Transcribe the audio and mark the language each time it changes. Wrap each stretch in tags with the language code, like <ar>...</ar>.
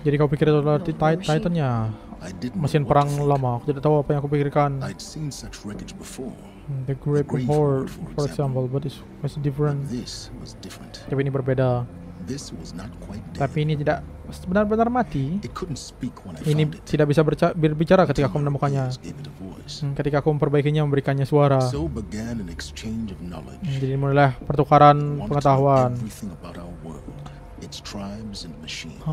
<id>Jadi kau pikir itu adalah titannya? Mesin perang lama. Aku tidak tahu apa yang aku pikirkan.</id> <en>I'd seen such wreckage before. The Great Horde, for example, but it was different. This was different.</en> <id>Tapi ini berbeda.</id> <en>This was not quite dead.</en> <id>Tapi ini tidak benar-benar mati.</id> <en>It couldn't speak when I found</en> <id>Ini tidak bisa berbicara ketika aku menemukannya. Ketika aku memperbaikinya, memberikannya suara.</id> <en>So began an exchange of knowledge.</en> <id>Jadi mulailah pertukaran pengetahuan.</id> <en>Everything about our world, its tribes and machines.</en>